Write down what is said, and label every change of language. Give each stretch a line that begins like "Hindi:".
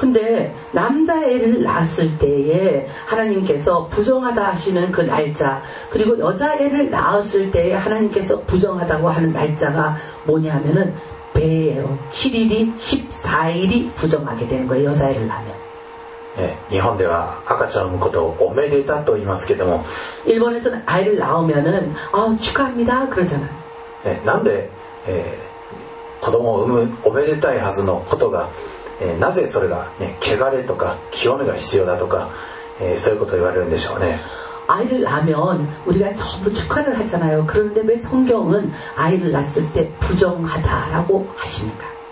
Korean: 근데남자애를낳았을때에하나님께서부정하다하시는그날짜그리고여자애를낳았을때에하나님께서부정하다고하는날짜가뭐냐면은배예요7일이14일이부정하게되는거예요여자애를낳으면
Japanese: 日本では赤ちゃんを産むことをおめでたと言いますけども
Korean: 일본에서는아이를낳으면은아축하합니다그러잖아요
Japanese: なんで、子供を産むおめでたいはずのことが、なぜそれが、ね、汚れとか清めが必要だとか、そういうことを言われるんでしょうね。
Korean: 아이를낳으면우리가전부축하를하잖아요그런데왜성경은아이를낳을때부정하다라고하십니까